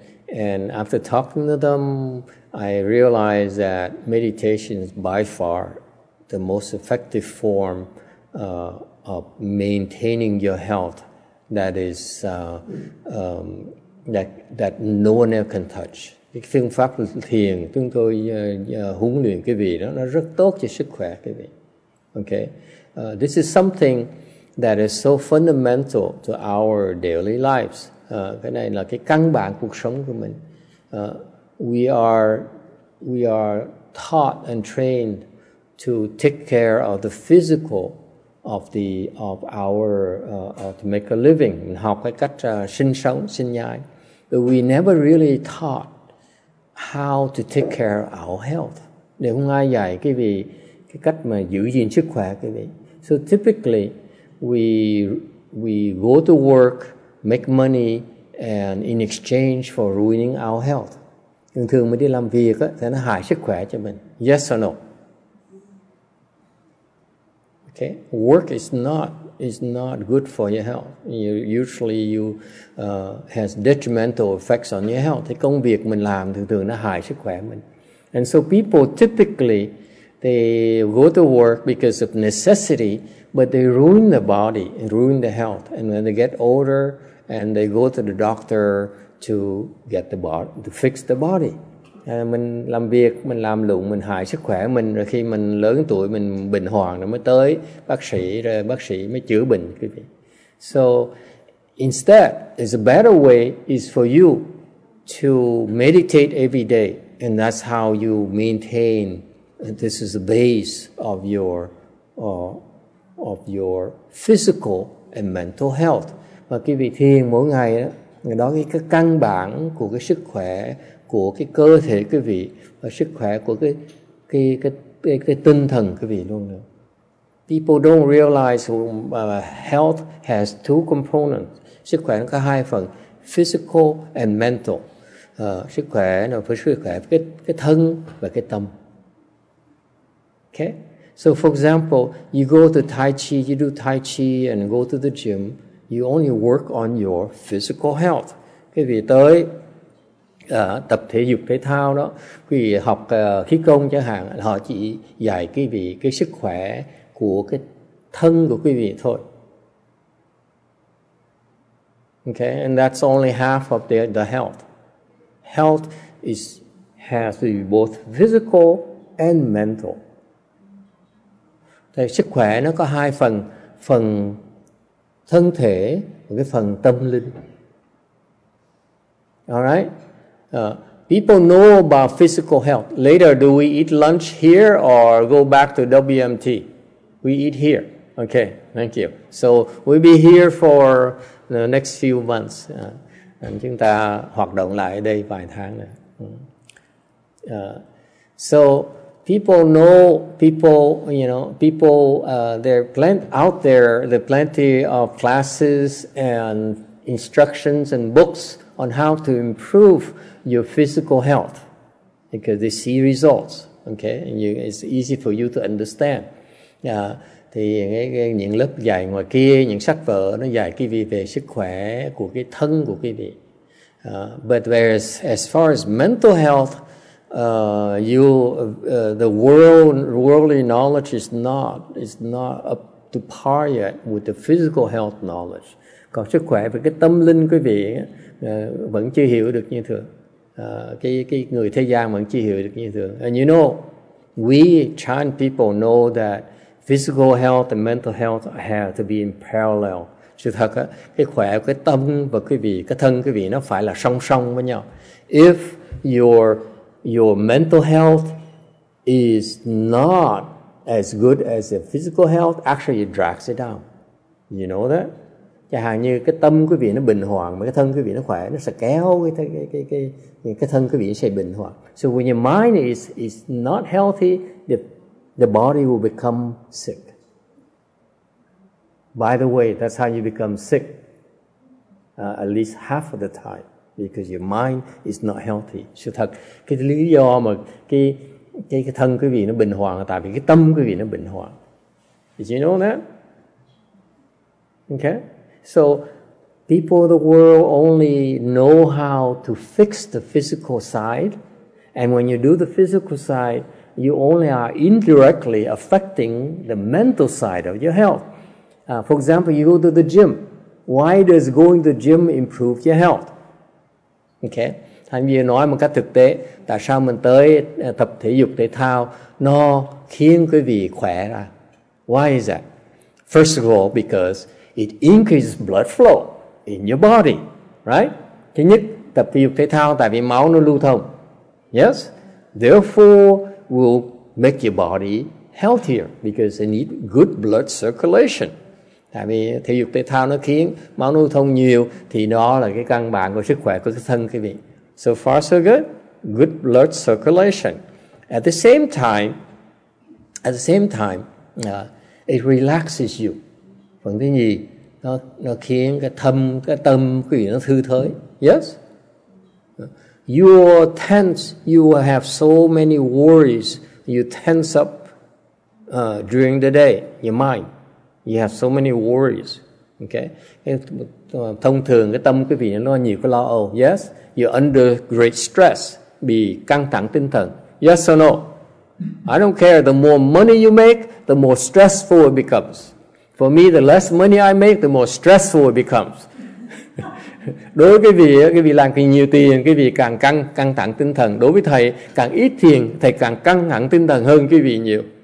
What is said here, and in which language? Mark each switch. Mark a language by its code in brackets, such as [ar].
[en] And after talking to them, I realized that meditation is by far the most effective form of maintaining your health that is that no one else can touch. [vi] Cái phương pháp thiền chúng tôi huấn luyện quý vị đó, nó rất tốt cho sức khỏe quý vị. [en] Okay, this is something that is so fundamental to our daily lives. [vi] Cái này là cái căn bản cuộc sống của mình. [en] We are taught and trained to take care of the physical to make a living, [vi] học cái cách sinh sống, sinh nhai. [en] But we never really taught how to take care of our health. [vi] Để không ai dạy quý vị cái cách mà giữ gìn sức khỏe quý vị. [en] So typically we go to work, make money and in exchange for ruining our health. [vi] Thường thường mình đi làm việc á thì nó hại sức khỏe cho mình. [en] Yes or no? Okay, work is not good for your health. You usually has detrimental effects on your health. [vi] Thì công việc mình làm thường thường nó hại sức khỏe mình. [en] And so people typically they go to work because of necessity, but they ruin the body, ruin the health. And when they get older and they go to the doctor to get the body, to fix the body. [vi] Mình làm việc, mình làm lụng, mình hại sức khỏe mình. Rồi khi mình lớn tuổi, mình bệnh hoạn rồi mới tới bác sĩ, rồi bác sĩ mới chữa bệnh, quý vị. [en] So instead, it's a better way is for you to meditate every day. And that's how you maintain, this is the base of your physical and mental health. [vi] Và quý vị thiền mỗi ngày đó, đó là cái căn bản của cái sức khỏe của cái cơ thể quý vị và sức khỏe của cái tinh thần quý vị luôn nữa. [en] People don't realize health has two components. [vi] Sức khỏe nó có hai phần, [en] physical and mental. [vi] Sức khỏe nó phải sức khỏe cái thân và cái tâm. [en] Okay? So for example, you go to Tai Chi, you do Tai Chi and go to the gym, you only work on your physical health. [vi] Quý vị tới tập thể dục thể thao đó, quý vị học khí công chẳng hạn, họ chỉ dạy quý vị cái sức khỏe của cái thân của quý vị thôi. [en] Okay, and that's only half of the health. Health has to be both physical and mental. [vi] Thì sức khỏe nó có hai phần, phần thân thể và cái phần tâm linh. [en] All right? People know about physical health. Later, do we eat lunch here or go back to WMT? We eat here. Okay, thank you. So we'll be here for the next few months. [vi] Chúng ta hoạt động lại ở đây vài tháng nữa. [en] So there are plenty of classes and instructions and books on how to improve your physical health because they see results. Okay, and it's easy for you to understand. [vi] Thì những lớp dạy ngoài kia, những sách vở nó dạy quý vị về sức khỏe của cái thân của quý vị. [en] But whereas as far as mental health, the worldly knowledge is not up to par yet with the physical health knowledge. [vi] Còn sức khỏe về cái tâm linh quý vị vẫn chưa hiểu được như thường. Cái người thế gian vẫn chưa hiểu được như thường. [en] And you know, we Chinese people know that physical health and mental health have to be in parallel. [vi] Sự thật á, cái khỏe cái tâm và quý vị, cái thân quý vị nó phải là song song với nhau. [en] If your mental health is not as good as your physical health, actually it drags it down. You know that? [vi] Chẳng hạn như cái tâm quý vị nó bình hoàng mà cái thân quý vị nó khỏe, nó sẽ kéo cái thân quý vị sẽ bình hoàng. [en] So when your mind is not healthy, the body will become sick. By the way, that's how you become sick. At least half of the time, because your mind is not healthy. [vi] Sự thật, cái lý do mà cái thân quý vị nó bình hoàng là tại vì cái tâm quý vị nó bình hoàng. [en] Did you know that? Okay. So people of the world only know how to fix the physical side, and when you do the physical side, you only are indirectly affecting the mental side of your health. For example, you go to the gym. Why does going to the gym improve your health? Okay. [vi] Thành vì nói một cách thực tế, tại sao mình tới tập thể dục thể thao nó khiến quý vị khỏe ra? [en] Why is that? First of all, because it increases blood flow in your body, right? [vi] Thứ nhất, tập thể dục thể thao tại vì máu nó lưu thông. [en] Yes? Therefore, will make your body healthier because it needs good blood circulation. [vi] Tại vì thể dục thể thao nó khiến máu lưu thông nhiều thì đó là cái căn bản của sức khỏe của cái thân quý vị. [en] So far, so good? good blood circulation. At the same time, it relaxes you. [vi] Phần thứ nhì, nó khiến cái thâm, cái tâm quý vị nó thư thới. [en] Yes. You are tense, you will have so many worries. You tense up during the day, your mind. You have so many worries. Okay. [vi] Thông thường cái tâm quý vị nó nhiều cái lo âu. [en] Yes. You're under great stress, [vi] bị căng thẳng tinh thần. [en] Yes or no? I don't care. The more money you make, the more stressful it becomes. For me, the less money I make, the more stressful it becomes. [vi] Đối với cái vị làm càng nhiều tiền, cái vị càng căng thẳng tinh thần. Đối với thầy, càng ít tiền, thầy càng căng thẳng tinh thần hơn cái vị nhiều.